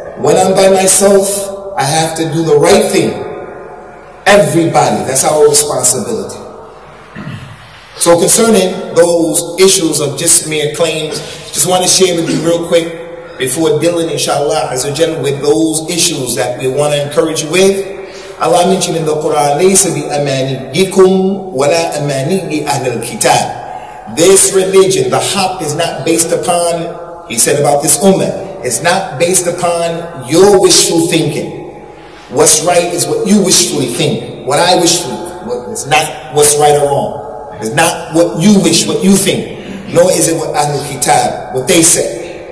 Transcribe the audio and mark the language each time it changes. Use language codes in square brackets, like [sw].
[en] When I'm by myself, I have to do the right thing. Everybody, that's our responsibility. So concerning those issues of just mere claims, just want to share with you real quick before dealing, inshallah, as a gentleman, with those issues that we want to encourage you with. Allah mentioned in the Quran, [ar] لَيْسَ بِأَمَانِيِّكُمْ وَلَا أَمَانِيِّ أَهْلَ الْكِتَابِ. [en] This religion, the hop, is not based upon, he said about this ummah, it's not based upon your wishful thinking. What's right is what you wishfully think. What I wishfully think is not what's right or wrong. It's not what you wish, what you think. Nor is it what Ahlul Kitab, what they say.